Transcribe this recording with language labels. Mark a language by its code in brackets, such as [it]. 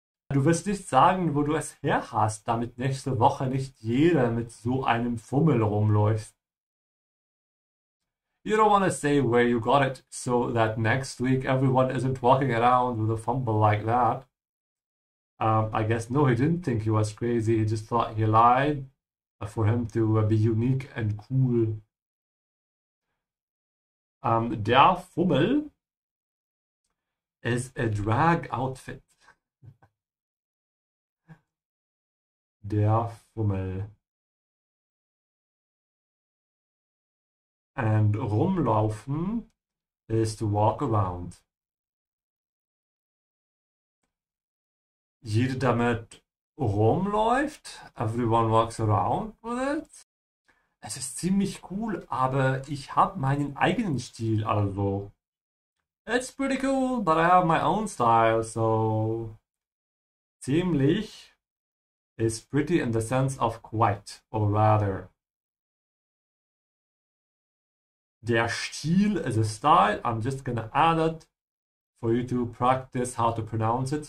[de] Du wirst nicht sagen, wo du es her hast, damit nächste Woche nicht jeder mit so einem Fummel rumläuft. [en] You don't want to say where you got it, so that next week everyone isn't walking around with a fumble like that. I guess no, he didn't think he was crazy, he just thought he lied for him to be unique and cool. Der Fummel is a drag outfit. [de] Der Fummel. [en] And rumlaufen is to walk around. [de] Jeder damit rumläuft. [en] Everyone walks around with it. [de] Es ist ziemlich cool, aber ich habe meinen eigenen Stil, also. [en] It's pretty cool, but I have my own style, so. Ziemlich is pretty in the sense of quite, or rather. Der Stil is a style. I'm just gonna add it for you to practice how to pronounce it.